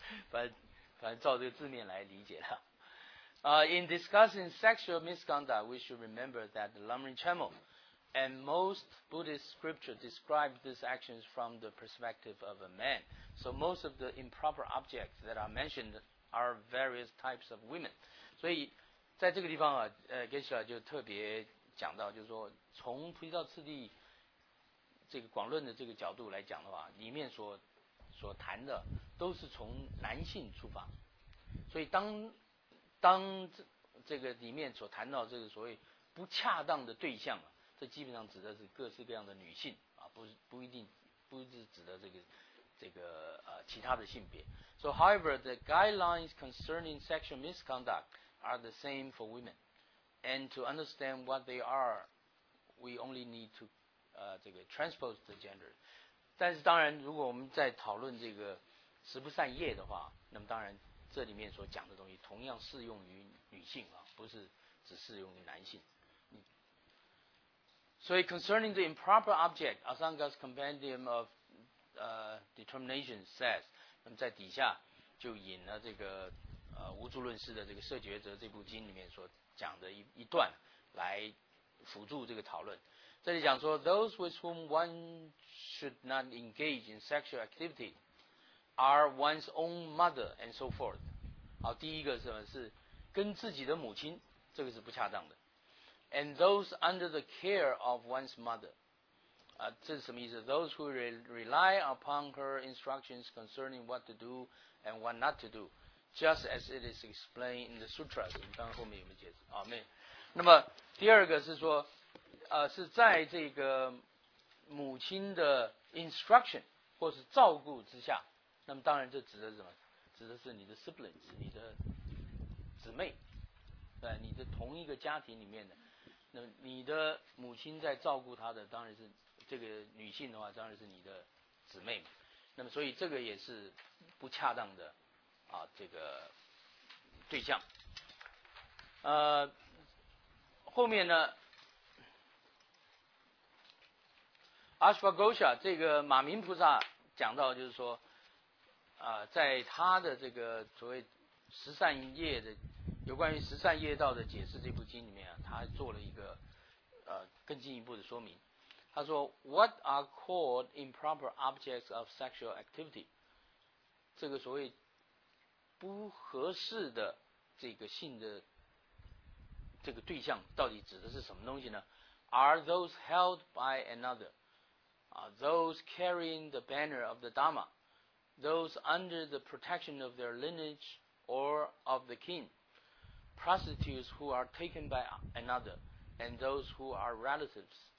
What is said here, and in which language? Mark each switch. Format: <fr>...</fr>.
<zh>反正照这个字面来理解了。</zh> <en>In discussing sexual misconduct, we should remember that the Lamrim Chenmo and most Buddhist scripture describe these actions from the perspective of a man. So most of the improper objects that are mentioned are various types of women.</en> <zh>所以在这个地方啊，Geshe-la就特别讲到，就是说从菩提道次第这个广论的这个角度来讲的话，里面所谈的都是从男性出发，所以当这个里面所谈到这个所谓不恰当的对象啊，这基本上指的是各式各样的女性啊，不一定指的这个其他的性别。</zh> <en>So however, the guidelines concerning sexual misconduct are the same for women, and to understand what they are, we only need to</en> <zh>这个</zh> <en>transpose the gender.</en> <zh>但是当然如果我们在讨论这个食不善业的话，那么当然这里面所讲的东西同样适用于女性啊，不是只适用于男性。所以</zh> <en>concerning the improper object, Asanga's compendium of determination says,</en> <zh>那么在底下就引了这个无助论师的这个摄觉则这部经里面所讲的一段来辅助这个讨论。这里讲说</zh> <en>those with whom one should not engage in sexual activity are one's own mother and so forth.</en> <zh>好，第一个是什么？是跟自己的母亲，这个是不恰当的。</zh> <en>And those under the care of one's mother.</en> <zh>这是什么意思？</zh> <en>Those who rely upon her instructions concerning what to do and what not to do, just as it is explained in the sutras.</en> <zh>我们刚刚后面有没有解释？好，没有。那么第二个是说是在这个母亲的 instruction 或是照顾之下，那么当然这指的是什么？指的是你的 siblings， 你的姊妹，对，你的同一个家庭里面的，那么你的母亲在照顾她的，当然是这个女性的话，当然是你的姊妹嘛。那么所以这个也是不恰当的啊，这个对象。后面呢？ Ashvaghosha 这个马明菩萨讲到，就是说在他的这个所谓十善业的有关于十善业道的解释这部经里面啊，他做了一个更进一步的说明。他说</zh> <en>What are called improper objects of sexual activity?</en> <zh>这个所谓不合适的这个性的这个对象到底指的是什么东西呢？</zh> <en>Are those held by anotherthose carrying the banner of the Dharma, those under the protection of their lineage or of the king, prostitutes who are taken by another, and those who are relatives.</en>